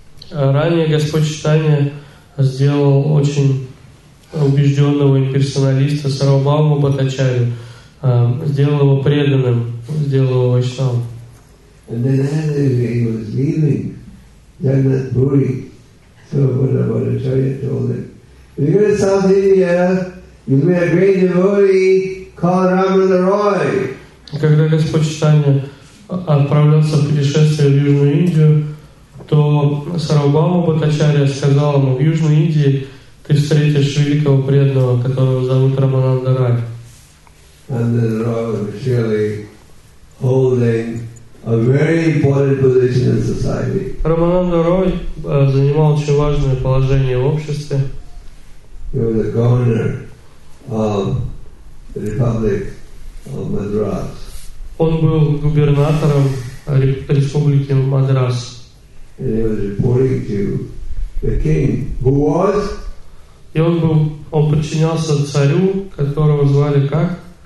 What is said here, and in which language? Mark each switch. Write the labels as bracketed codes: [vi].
[ru] Ранее Господь Чайтани сделал очень убежденного имперсоналиста Сарвабхаума Бхаттачарью, сделал его преданным, сделал его вайшнавом. [en] So Buddha Bhattacharya told him, if you go to South India, you meet a great devotee called Ramananda Roy. [ru] Когда Господь Чайтанья отправлялся в путешествие в Южную Индию, то Сарвабхаума Бхаттачарья сказал ему, в Южной Индии ты встретишь великого преданного, которого зовут Рамананда Рай. [en] Ramananda Roy was surely holding a very important position in society. [ru] Рамананда Рой занимал очень важное положение в обществе. [en] He was the governor of the Republic of Madras. [ru] Он был губернатором Республики Мадрас. [en] And he was reporting to the king, who was? [ru] И он подчинялся царю, которого звали как?